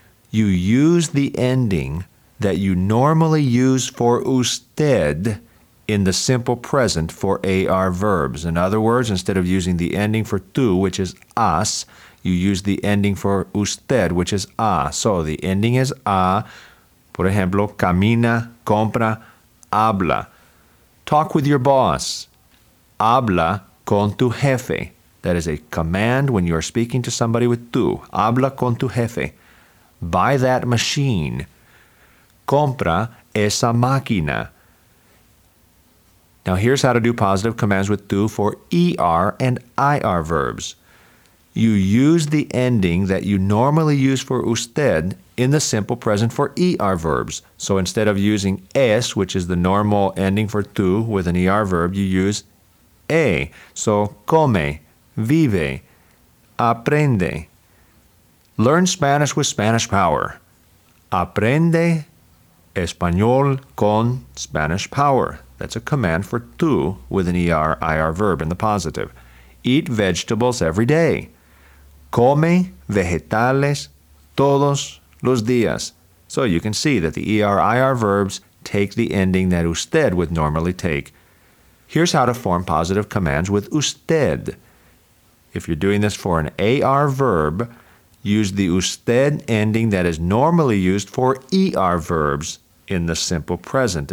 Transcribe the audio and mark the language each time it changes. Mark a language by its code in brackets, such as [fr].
[en] You use the ending that you normally use for usted in the simple present for AR verbs. In other words, instead of using the ending for tú, which is us, you use the ending for usted, which is a. So the ending is a. [es] Por ejemplo, camina, compra, habla. [en] Talk with your boss. [es] Habla con tu jefe. [en] That is a command when you are speaking to somebody with tú. [es] Habla con tu jefe. [en] Buy that machine. [es] Compra esa máquina. [en] Now here's how to do positive commands with tú for ER and IR verbs. You use the ending that you normally use for usted in the simple present for ER verbs. So instead of using es, which is the normal ending for tú with an ER verb, you use e. [es] So come, vive, aprende. [en] Learn Spanish with Spanish power. [es] Aprende español con Spanish power. [en] That's a command for tú with an ER, IR verb in the positive. Eat vegetables every day. [es] Come vegetales todos los días. [en] So you can see that the ER, IR verbs take the ending that usted would normally take. Here's how to form positive commands with usted. If you're doing this for an AR verb, use the usted ending that is normally used for ER verbs in the simple present.